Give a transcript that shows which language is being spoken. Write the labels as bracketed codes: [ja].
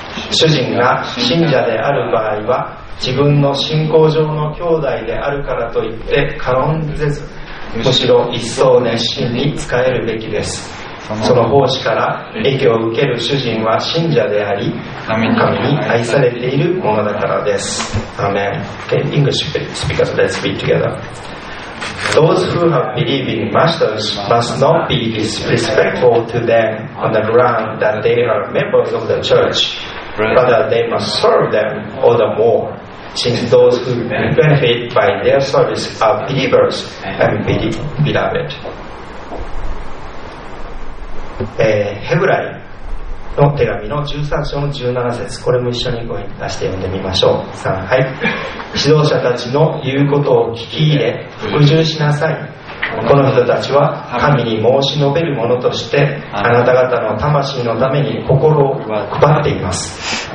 [ja] 主人が信者である場合は、自分の信仰上の兄弟であるからといって軽んぜず、むしろ一層熱心に仕えるべきです。その奉仕から益を受ける主人は信者であり、神に愛されているものだからです。 [en] アメン。Okay, English speakers, let's speak together. Those who have believing masters must not be disrespectful to them on the ground that they are members of the church, rather they must serve them all the more, since those who benefit by their service are believers and beloved. [ja] ヘブライの手紙の13章の17節、これも一緒に声に出して読んでみましょう。さあ、はい。指導者たちの言うことを聞き入れ服従しなさい。この人たちは神に申し述べるものとしてあなた方の魂のために心を配っています。